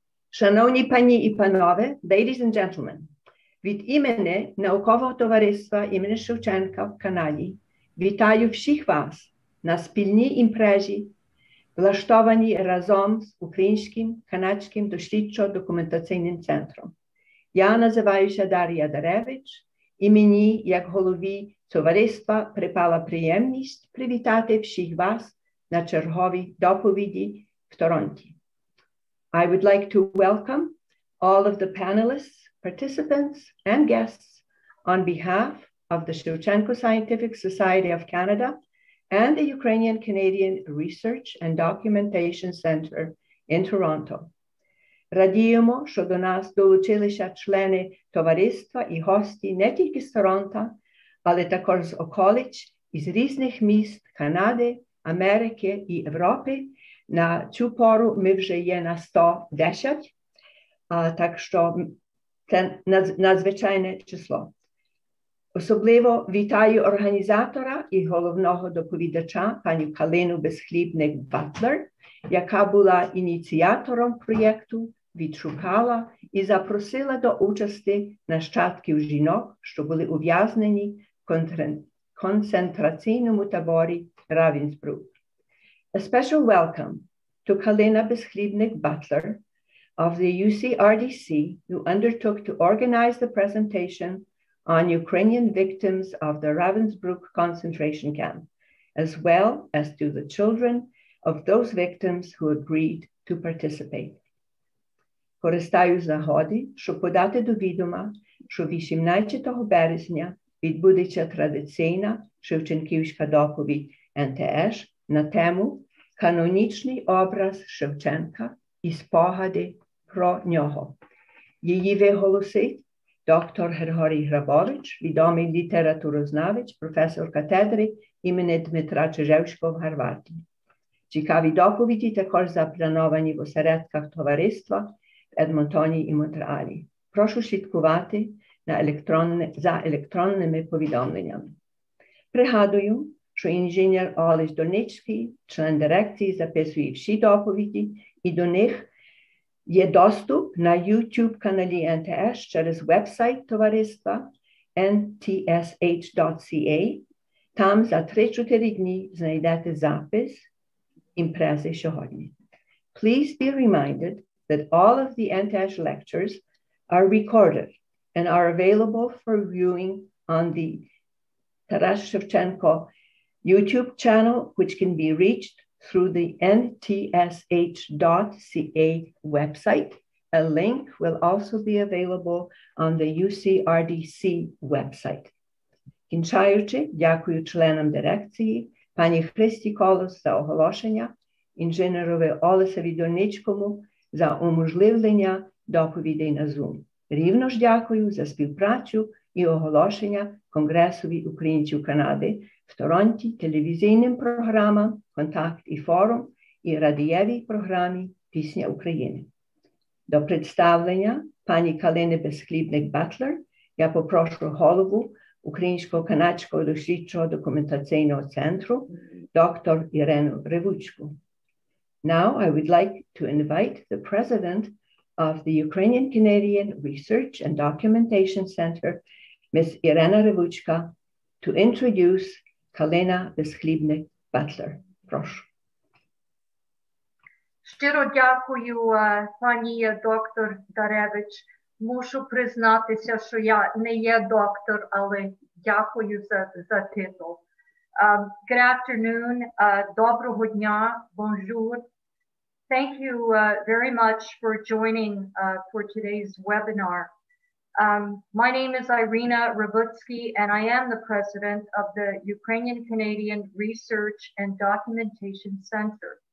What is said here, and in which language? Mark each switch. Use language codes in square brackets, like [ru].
[uk] Шановні пані і панове, [en] ladies and gentlemen, [uk] від імені Наукового товариства імені Шевченка в Каналі вітаю всіх вас на спільній імпрезі, влаштованій разом з Українським канадським дослідчо-документаційним центром. Я називаюся Дар'я Даревич, і мені, як голові товариства, припала приємність привітати всіх вас на черговій доповіді в Торонті. [en] I would like to welcome all of the panelists, participants, and guests on behalf of the Shevchenko Scientific Society of Canada and the Ukrainian Canadian Research and Documentation Center in Toronto. [uk] Радіємо, що до нас долучилися члени товариства і гості не тільки з Торонто, але також з околиць із різних міст Канади, Америки і Європи. На цю пору ми вже є на 110, так що це надзвичайне число. Особливо вітаю організатора і головного доповідача, пані Калину Безхлібник-Батлер, яка була ініціатором проєкту, відшукала і запросила до участі нащадків жінок, що були ув'язнені в концентраційному таборі Равенсбрюк. [en] A special welcome to Kalyna Bezchlibnyk-Butler of the UCRDC, who undertook to organize the presentation on Ukrainian victims of the Ravensbrück concentration camp, as well as to the children of those victims who agreed to participate. [uk] Користаюсь нагоди, щоб подати до відома, що 18 березня відбудеться традиційна Шевченківська доповідь НТС на тему Канонічний образ Шевченка і спогади про нього. Її виголосить доктор Григорій Грабович, відомий літературознавець, професор катедри імені Дмитра Чижевського в Гарвардії. Цікаві доповіді також заплановані в осередках товариства в Едмонтоні і Монтреалі. Прошу слідкувати за електронними повідомленнями. Пригадую, що інженер Олесь Дорницький, член дирекції, записує всі доповіді, і до них є доступ на YouTube-каналі НТС через веб-сайт товариства nts.ca. Там за 3-4 дні знайдете запис імпрези сьогодні. [en] Please be reminded that all of the NTS lectures are recorded and are available for viewing on the Taras Shevchenko YouTube channel, which can be reached through the ntsh.ca website. A link will also be available on the UCRDC website. [uk] Кінчаючи, дякую членам дирекції, пані Христі Колос за оголошення, інженерові Олесові Дорничкому за уможливлення доповідей на Zoom. Рівно ж дякую за співпрацю і оголошення Конгресові українців Канади в Торонті, телевізійним програмам «Контакт» і «Форум» і радієвій програмі «Пісня України». До представлення пані Калини Безхлібник-Батлер я попрошу голову Українсько-канадського дослідчого документаційного центру доктор Ірину Ревуцьку. [en] Now I would like to invite the president of the Ukrainian-Canadian Research and Documentation Center, Ms. Iryna Revutska, to introduce Kalyna Bezchlibnyk-Butler. [uk] Прошу. Щиро дякую, пані доктор Даревич. Мушу признатися, що я не є доктор, але дякую за титул. [en] Good afternoon, [uk] доброго дня, [fr] bonjour. [en] Thank you very much for joining for today's webinar. My name is Iryna Revutsky, and I am the president of the Ukrainian-Canadian Research and Documentation Center.